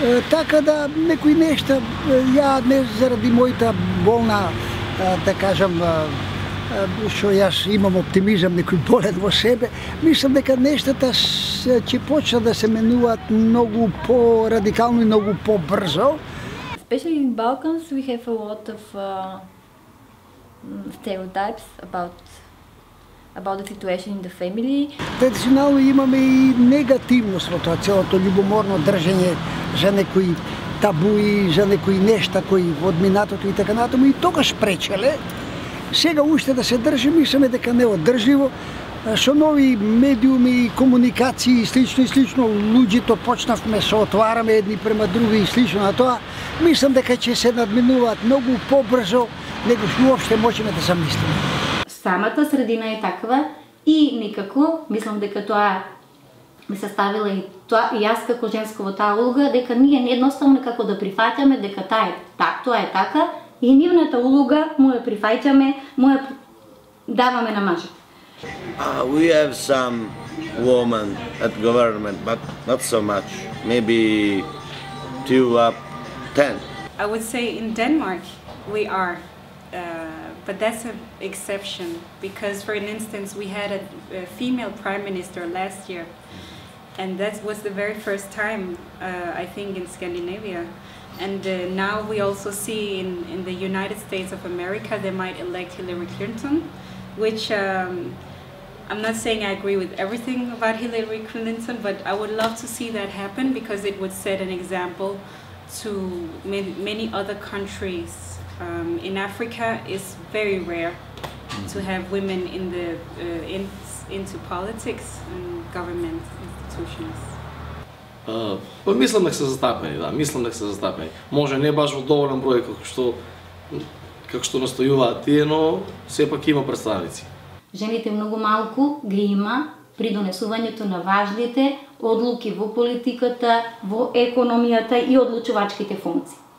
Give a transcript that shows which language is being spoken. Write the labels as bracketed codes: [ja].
[mk] Така да некои нешта, ја не заради мојата болна, да кажам, што јас имам оптимизам, некој болен во себе, мислам дека нештата ќе почна да се менуваат многу по-радикално и многу по-брзо. [en] Especially in Balkans, we have a lot of stereotypes about the situation in the family. [mk] Традиционално имаме и негативност во тоа целото љубоморно држење за некои табуи, за некои нешта кои во минатото и така натаму и тогаш пречеле. Сега уште да се држи, мислиме дека не одржливо. Со нови медиуми, комуникации и слично, луѓето почнавме се отвараме едни према други и слично на тоа, мислам дека ќе се надминуваат многу побрзо него што уопште можеме да замислиме. Самата средина е таква и никако, мислам дека тоа ми се ставила и тоа и јас како женско во таа улога, дека ние не едноставно како да прифаќаме дека таа е така, тоа е така и нивната улога му ја прифаќаме, му ја даваме на мажот. [en] We have some women at government, but not so much. Maybe 2 out of 10. I would say in Denmark we are, but that's an exception because, for an instance, we had a female prime minister last year, and that was the very first time I think in Scandinavia. And now we also see in the United States of America they might elect Hillary Clinton, which. I'm not saying I agree with everything about Hillary Clinton, but I would love to see that happen because it would set an example to many other countries. In Africa, it's very rare to have women in the into politics and government institutions. [mk] Па мислам дека се застапени, да, мислам дека се застапени. Може не баш во доволен број како што настојуваат тие, но сепак има представници. Жените многу малку ги има при донесувањето на важните одлуки во политиката, во економијата и одлучувачките функции.